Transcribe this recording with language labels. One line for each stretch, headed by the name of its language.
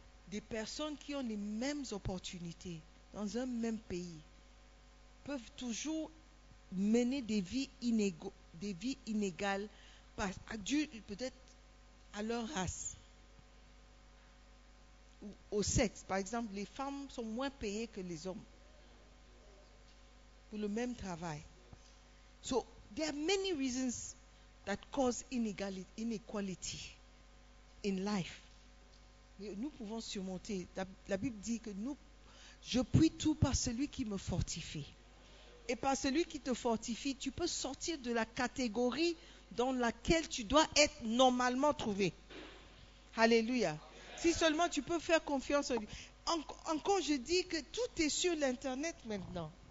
French: Des personnes qui ont les mêmes opportunités dans un même pays peuvent toujours mener des vies inégales, peut-être à leur race ou au sexe. Par exemple, les femmes sont moins payées que les hommes pour le même travail.
English: So, there are many reasons that cause inequality in life.
French: Mais nous pouvons surmonter. La Bible dit que nous, je puis tout par celui qui me fortifie. Et par celui qui te fortifie, tu peux sortir de la catégorie dans laquelle tu dois être normalement trouvé. Alléluia. Si seulement tu peux faire confiance en lui. Encore, je dis que tout est sur l'Internet maintenant.